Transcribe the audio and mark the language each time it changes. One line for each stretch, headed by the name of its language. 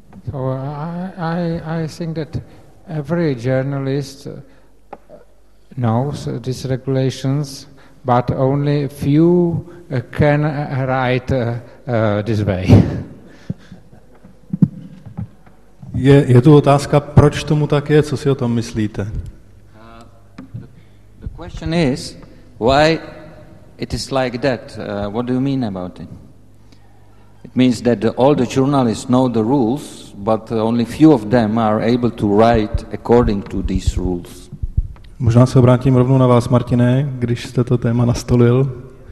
English: So I think that every journalist knows these regulations, but only few can write this way.
Czech: Je tu otázka, proč tomu tak je, co si o tom myslíte?
English: The question is, why it is like that? What do you mean about it? It means that all the journalists know the rules, but only few of them are able to write according to these rules.
Czech: Možná se obrátím rovnou na vás, Martine, když jste to téma nastolil.